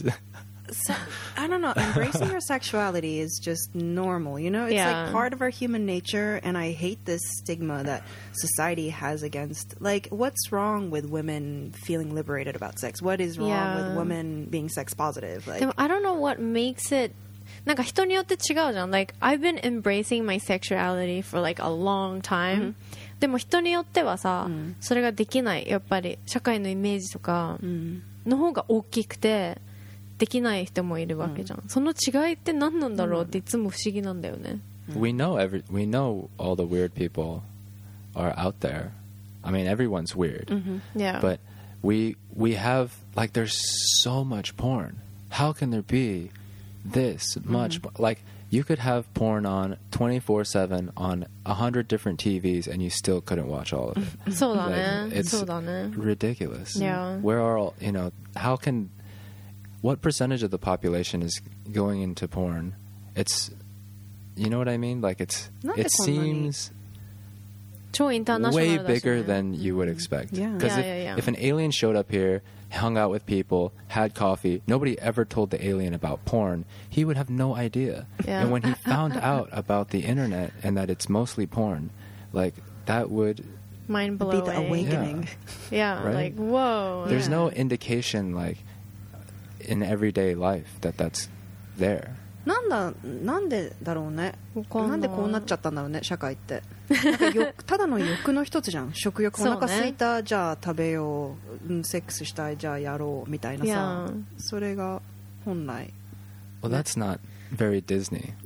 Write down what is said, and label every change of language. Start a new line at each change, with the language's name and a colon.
English: of Jesus. So, I don't know. Embracing your sexuality is just normal, you know? It's、 yeah. like part of our human nature, and I hate this stigma that society has against... Like, what's wrong with women feeling liberated about sex? What is wrong、 yeah. with women being sex positive? Like, I don't know what makes it...
Japanese: なんか人によって違うじゃん。
English: Like, I've been embracing my sexuality for like a long time.、Mm-hmm.
Japanese: でも人によってはさ、mm-hmm. それができない。やっぱり社会のイメージとかの方が大きくて、できない人もいるわけじゃん、うん、その違いって何なんだろうっていつも不思議なんだよね、うん、
English: We know all the weird people are out there. I mean, everyone's weird、 mm-hmm. yeah. But we have, like, there's so much porn. How can there be this much、mm-hmm. Like, you could have porn on 24/7 on 100 different TVs and you still couldn't watch all of it.
Japanese: そうだね、
English: like,
Japanese: そうだね、
English: It's ridiculous、 yeah. Where are all, you know, how canWhat percentage of the population is going into porn? It's, you know what I mean? Like it's, it seems way bigger than you would expect. Because if an alien showed up here, hung out with people, had coffee, nobody ever told the alien about porn, he would have no idea. Yeah. And when he found out about the internet and that it's mostly porn, like that would mind blowing. Be the awakening. Yeah, yeah right? Like, whoa. There's no indication like,in everyday life that that's there
Japanese: なんだなんでだろうねなんでこうなっちゃったんだろうね社会ってただの欲の一つじゃん食欲お腹空いた、ね、じゃあ食べよう、うん、セックスしたいじゃあやろうみたいなさ、
English: yeah.
Japanese: それが本来
English: well that's not very Disney、